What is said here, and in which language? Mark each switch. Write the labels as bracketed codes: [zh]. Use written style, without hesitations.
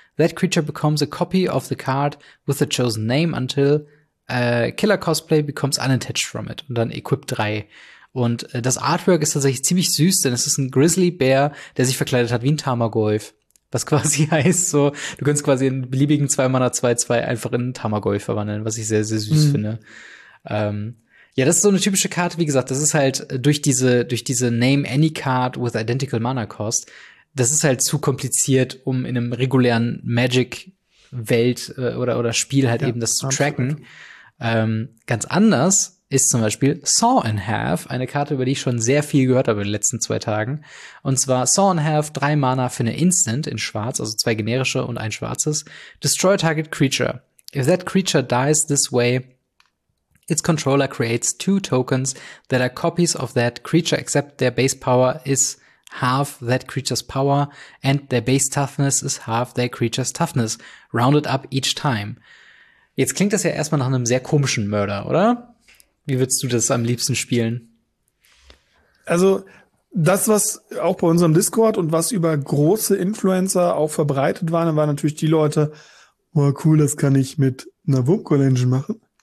[en] That creature becomes a copy of the card with the chosen name until Killer-Cosplay becomes unattached from it. [de] Und dann equip 3. Und das Artwork ist tatsächlich ziemlich süß, denn es ist ein Grizzly-Bär, der sich verkleidet hat wie ein Tamagolf. Was quasi heißt so, du kannst quasi einen beliebigen 2-Mana-2-2 einfach in Tamagoy verwandeln, was ich sehr, sehr süß finde. Ja, das ist so eine typische Karte, wie gesagt, das ist halt durch diese [en] Name Any Card with Identical Mana Cost, [de] das ist halt zu kompliziert, um in einem regulären Magic-Welt oder Spiel halt, ja, eben das zu tracken. Ganz anders ist zum Beispiel Saw in Half, eine Karte, über die ich schon sehr viel gehört habe in den letzten zwei Tagen. Und zwar Saw in Half, 3 Mana für eine Instant in Schwarz, also 2 generische und 1 schwarzes. [en] Destroy target creature. If that creature dies this way, its controller creates 2 tokens that are copies of that creature, except their base power is half that creature's power and their base toughness is half their creature's toughness, rounded up each time. [de] Jetzt klingt das ja erstmal nach einem sehr komischen Murder, oder? Wie würdest du das am liebsten spielen? Also, das, was auch bei unserem Discord und was über große Influencer auch verbreitet war, dann waren natürlich die Leute, oh, cool, das kann ich mit einer Wurmcoil Engine machen.